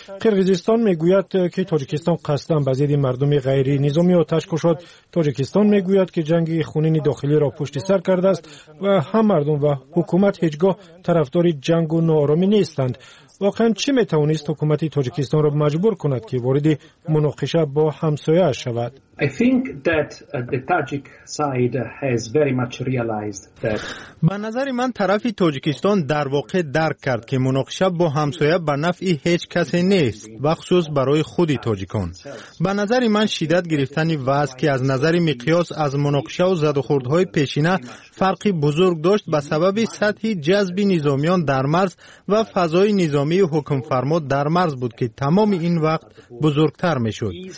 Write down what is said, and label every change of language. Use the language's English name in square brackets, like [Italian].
[Persian] قرقیزستان میگوید که تاجیکستان قصداً به ضد مردم غیر نظامی آتش کشاد. تاجیکستان میگوید که جنگ خونین داخلی را پشت سر کرده است و هم مردم و حکومت هیچگاه طرفدار جنگ و نارامی نیستند. واقعا چی میتوانست حکومت تاجیکستان را مجبور کند که وارد مناقشه با همسایه اش شود؟ [English] I think that the Tajik side has very much realized that [Persian] به نظر من طرف تاجیکستان در واقع درک کرد که مناقشه با همسایه به نفع هیچ کسی نیست و خصوص برای خود تاجیکان به نظر من شدت گرفتن وضع که از نظر مقیاس از مناقشه و زد و خوردهای پیشینه فرقی بزرگ داشت به سبب سطح جذب نظامیان در مرز و فضای نظامی حکم فرما در مرز بود که تمام این وقت بزرگتر میشد